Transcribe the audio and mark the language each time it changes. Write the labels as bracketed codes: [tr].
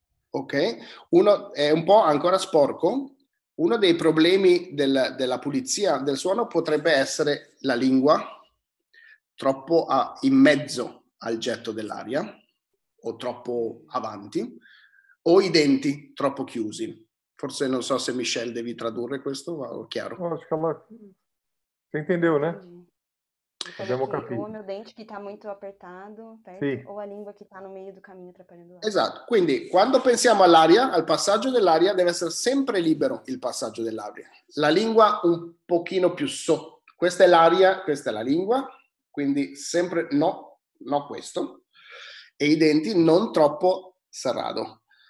[it] Ok, uno è un po' ancora sporco. Uno dei problemi della pulizia del suono potrebbe essere la lingua troppo in mezzo al getto dell'aria o troppo avanti, o i denti troppo chiusi. Forse non so se Michelle devi tradurre questo, ma è chiaro. [pt] Si intendeu, né? [it] Abbiamo capito. [pt] O meu dente que está muito apertado, certo? Sì. O a língua que está no meio do caminho atrapalhando [it] l'aria. Esatto. Quindi, quando pensiamo all'aria, al passaggio dell'aria, deve essere sempre libero il passaggio dell'aria. La lingua un pochino più sotto. Questa è l'aria, questa è la lingua. Quindi sempre no, no questo. E i denti non troppo serrato.